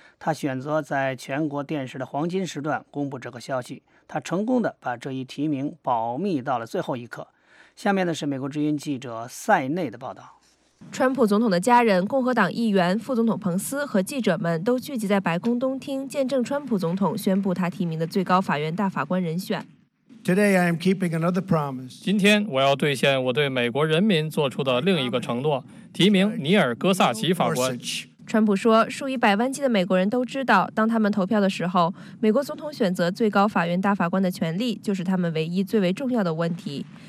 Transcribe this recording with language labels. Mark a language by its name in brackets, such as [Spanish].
[Chinese] 他选择在全国电视的黄金时段公布这个消息，他成功的把这一提名保密到了最后一刻。下面的是美国之音记者塞内的报道。川普总统的家人、共和党议员、副总统彭斯和记者们都聚集在白宫东厅，见证川普总统宣布他提名的最高法院大法官人选。 [English] Today I am keeping another promise. [Chinese] 今天我要兑现我对美国人民做出的另一个承诺，提名尼尔·戈萨奇法官。川普说，数以百万计的美国人都知道，当他们投票的时候，美国总统选择最高法院大法官的权利就是他们唯一最为重要的问题。